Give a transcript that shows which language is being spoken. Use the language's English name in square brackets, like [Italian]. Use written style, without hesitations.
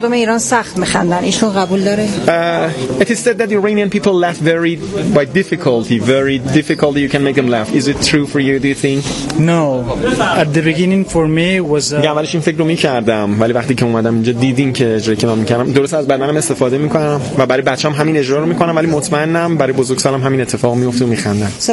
[Persian] مردم ایران سخت میخندن ایشون قبول داره [English] it is said that Iranian people laugh very by difficulty very difficulty you can make them laugh is it true for you do you think no at the beginning for me was [Persian] اولش این فکر رو میکردم ولی وقتی که اومدم اینجا دیدین که اجرا کنم میکنم درست از بدنم استفاده میکنم و برای بچه‌ام همین اجرا رو میکنم ولی مطمئنم برای بزرگسالم همین اتفاق میفته و میخندن